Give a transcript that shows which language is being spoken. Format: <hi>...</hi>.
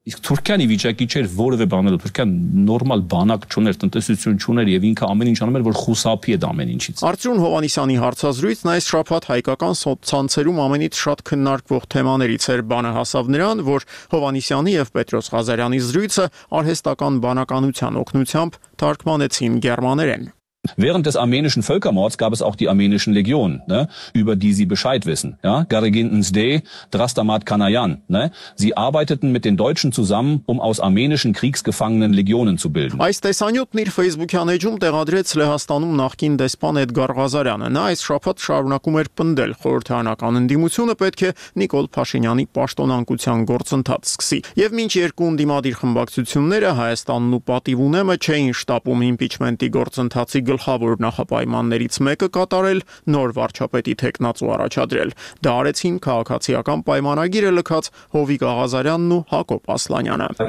<hy>Իսկ Թուրքիայի վիճակի չէր որևէ բանել, Թուրքիան նորմալ բանակ չուներ, տնտեսություն չուներ եւ ինքը ամեն ինչ անում էր, որ խուսափի է ամեն ինչից։ Արծրուն Հովանիսյանի հարցազրույցն այս շաբաթ հայկական սոցցանցերում ամենից շատ քննարկվող թեմաներից էր, բանը հասավ նրան, որ Հովանիսյանի եւ Պետրոս Ղազարյանի զրույցը արհեստական բանականության օգնությամբ թարգմանեցին գերմաներեն։</hy> <de>Während des armenischen Völkermords gab es auch die armenischen Legionen, ne, über die Sie Bescheid wissen. Ja, Garegin Nzde, Drastamat Kanayan. Ne, sie arbeiteten mit den Deutschen zusammen, um aus armenischen Kriegsgefangenen Legionen zu bilden.</de> <hy>Այս տեսանյութն իր Facebook-յան էջում տեղադրեց Լեհաստանում նախկին դեսպան Էդգար Ղազարյանը։ Նա այս շաբաթ շարունակում էր պնդել, խորհրդանական ընդդիմությունը պետք է Նիկոլ Փաշինյանի պաշտոնանկության գործընթաց սկսի։ Եվ մինչ երկու ընդդիմադիր խմբակցությունները Հայաստանն ու պատիվ ունեմը չէին շտապում իմպիչմենտի գործընթացի գլխավոր նախապայմաններից մեկը կատարել, նոր վարչապետի թեկնածու առաջադրել։ Դա արեցին քաղաքացիական պայմանագիրը լքած Հովիկ Աղազարյանն ու Հակոբ Ասլանյանը։</hy>